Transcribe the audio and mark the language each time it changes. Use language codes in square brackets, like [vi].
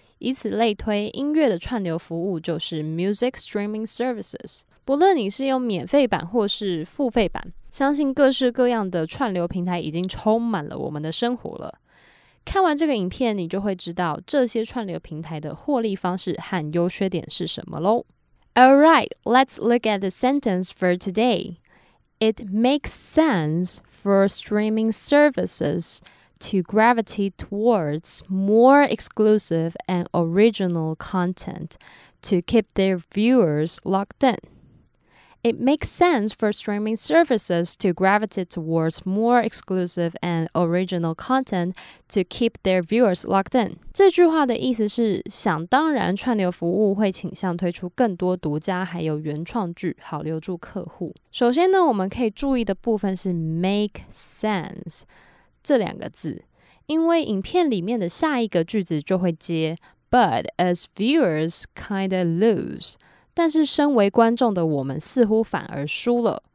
[zh] 以此类推，音乐的串流服务就是 Music Streaming Services。不论你是用免费版或是付费版，相信各式各样的串流平台已经充满了我们的生活了。看完这个影片，你就会知道这些串流平台的获利方式和优缺点是什么咯。 [en] Alright, let's look at the sentence for today. It makes sense for streaming services. To gravitate towards more exclusive and original content to keep their viewers locked in. It makes sense for streaming services to gravitate towards more exclusive and original content to keep their viewers locked in. [zh] 这句话的意思是，想当然串流服务会倾向推出更多独家还有原创剧，好留住客户。首先呢，我们可以注意的部分是 make sense。这两个字，因为影片里面的下一个句子就会接 [en] But as viewers kinda lose， [zh] 但是身为观众的我们似乎反而输了。